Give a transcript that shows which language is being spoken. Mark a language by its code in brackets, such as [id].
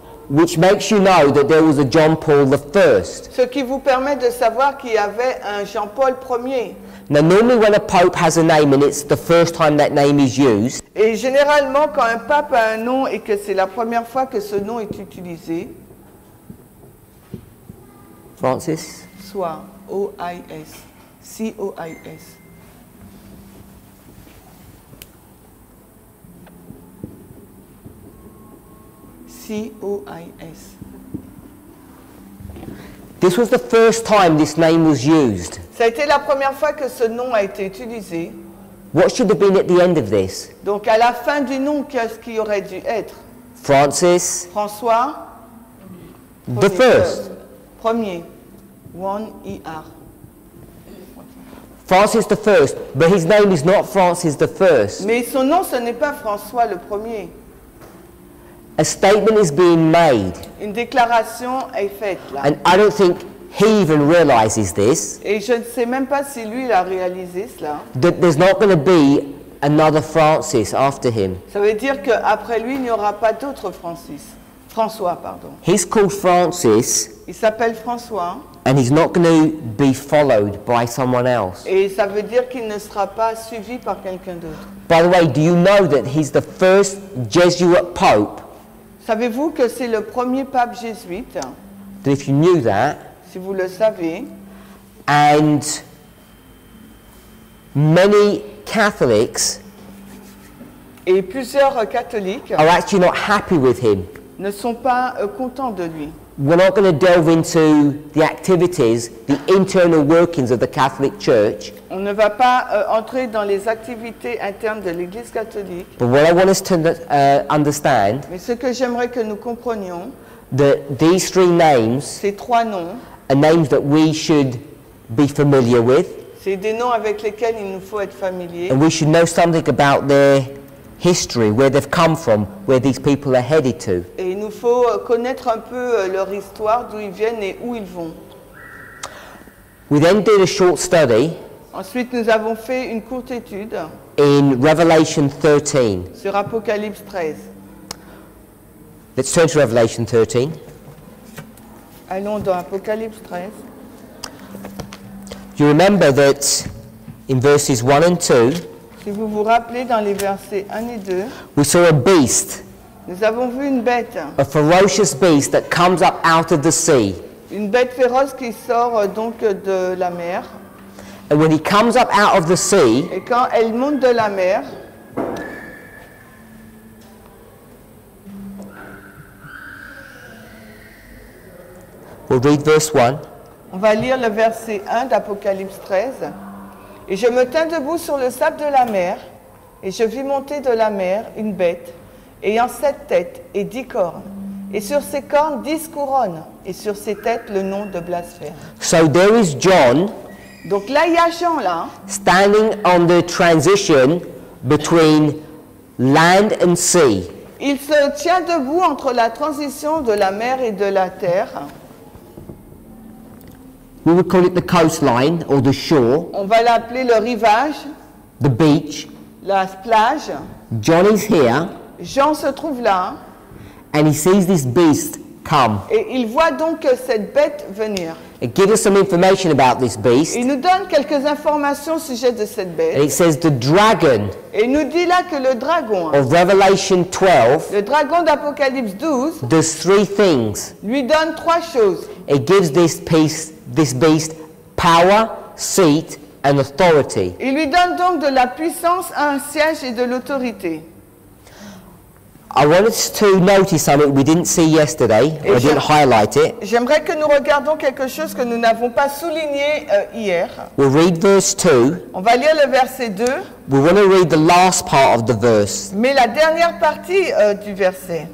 [en] Which makes you know that there was a John Paul the first. [fr] Ce qui vous permet de savoir qu'il y avait un Jean-Paul premier. [en] Now, normally when a pope has a name and it's the first time that name is used. [fr] Et généralement, quand un pape a un nom et que c'est la première fois que ce nom est utilisé. [en] Francis. [fr] Soit O-I-S. C-O-I-S. C-O-I-S. [en] This was the first time this name was used. [fr] Ça a été la première fois que ce nom a été utilisé. [en] What should have been at the end of this? [fr] Donc à la fin du nom, qu'est-ce qui aurait dû être? [en] Francis. [fr] François. [en] The first. [fr] Premier. [en] One E-R. Francis the first, but his name is not Francis the first. [fr] Mais son nom, ce n'est pas François le premier. [en] A statement is being made. [fr] Une déclaration est faite là. [en] And I don't think he even realizes this. [fr] Et je ne sais même pas si lui l'a réalisé cela. [en] That there's not going to be another Francis after him. [fr] Ça veut dire que après lui, il n'y aura pas d'autre Francis. François, pardon. [en] He's called Francis. [fr] Il s'appelle François. [en] And he's not going to be followed by someone else. [fr] Et ça veut dire qu'il ne sera pas suivi par quelqu'un d'autre. [en] By the way, do you know that he's the first Jesuit pope? [fr] Savez-vous que c'est le premier pape jésuite? [en] That if you knew that. [fr] Si vous le savez. [en] And many Catholics. [fr] Et plusieurs catholiques. [en] Are actually not happy with him. [fr] Ne sont pas contents de lui. [en] We're not going to delve into the activities, the internal workings of the Catholic Church. [fr] On ne va pas entrer dans les activités internes de l'Église catholique. [en] But what I want us to understand. [fr] Mais ce que j'aimerais que nous comprenions. [en] That these three names. [fr] Ces trois noms. [en] Are names that we should be familiar with. [fr] C'est des noms avec lesquels il nous faut être familier. [en] And we should know something about their history, where they've come from, where these people are headed to. [fr] Et il nous faut connaître un peu leur histoire, d'où ils viennent et où ils vont. [en] We then did a short study. [fr] Ensuite, nous avons fait une courte étude. [en] In Revelation 13. [fr] Sur Apocalypse 13. [en] Let's turn to Revelation 13. [fr] Allons dans Apocalypse 13. [en] You remember that in verses 1 and 2, [fr] si vous vous rappelez dans les versets 1 et 2, [en] we saw a beast. [fr] Nous avons vu une bête. [en] A ferocious beast that comes up out of the sea. [fr] Une bête féroce qui sort donc de la mer. [en] And when he comes up out of the sea, [fr] et quand elle monte de la mer, [en] we'll read verse 1. [fr] On va lire le verset 1 d'Apocalypse 13. Et je me tins debout sur le sable de la mer, et je vis monter de la mer une bête, ayant 7 têtes et 10 cornes. Et sur ses cornes, 10 couronnes, et sur ses têtes, le nom de blasphème. [en] So there is John. [fr] Donc là, il y a Jean là. [en] Standing on the transition between land and sea. [fr] Il se tient debout entre la transition de la mer et de la terre. [en] We would call it the coastline or the shore. [fr] On va l'appeler le rivage. [en] The beach. [fr] La plage. [en] John is here. [fr] Jean se trouve là. [en] And he sees this beast come. [fr] Et il voit donc cette bête venir. [en] It gives us some information about this beast. [fr] Il nous donne quelques informations au sujet de cette bête. [en] And it says the dragon. [fr] Et nous dit là que le dragon. [en] Of Revelation 12. [fr] Le dragon d'Apocalypse 12. [en] Does 3 things. [fr] Lui donne 3 choses. [en] It gives this beast power, seat and authority. [fr] Il lui donne donc de la puissance, un siège et de l'autorité. [en] I wanted to notice something we didn't see yesterday. Or didn't highlight it. [fr] J'aimerais que nous regardions quelque chose que nous n'avons pas souligné hier. [en] We'll read verse 2. [fr] On va lire le verset 2. [en] We want to read the last part of the verse. [fr] Mais la dernière partie du verset.